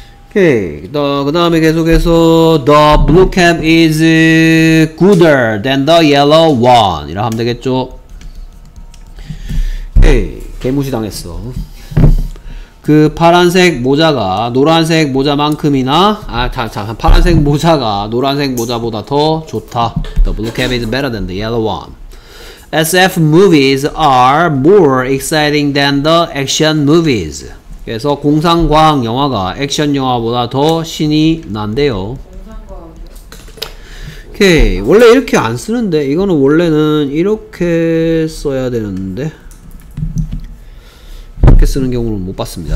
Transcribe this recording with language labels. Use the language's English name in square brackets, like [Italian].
[Korean] 오케이. [English] Okay. [Korean] 그 다음에 계속해서 [English] The blue cap is gooder than the yellow one [Korean] 이라 하면 되겠죠. 오케이. [English] Okay. [Korean] 개무시 당했어. 그 파란색 모자가 노란색 모자만큼이나 파란색 모자가 노란색 모자보다 더 좋다. [English] The blue cap is better than the yellow one. SF movies are more exciting than the action movies. [Korean] 그래서 공상과학 영화가 액션 영화보다 더 신이 난대요. 오케이. 원래 이렇게 안 쓰는데 이거는 원래는 이렇게 써야 되는데 이렇게 쓰는 경우는 못 봤습니다.